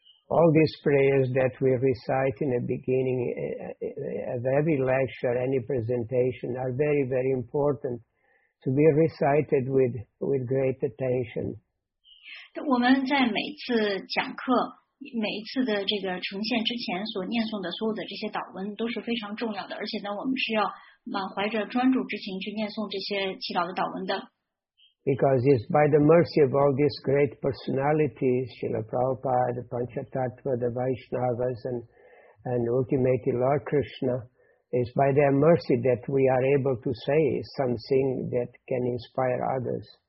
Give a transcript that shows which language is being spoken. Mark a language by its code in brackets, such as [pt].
[en] All these prayers that we recite in the beginning of every lecture, any presentation, are very, very important to be recited with great attention. [zh] 我们在每一次讲课，每一次的这个呈现之前所念诵的所有的这些祷文都是非常重要的， 而且呢，我们是要满怀着专注之情去念诵这些祈祷的祷文的。 [en] Because it's by the mercy of all these great personalities, Srila Prabhupada, Panchatattva, the Vaishnavas, and ultimately Lord Krishna, it's by their mercy that we are able to say something that can inspire others.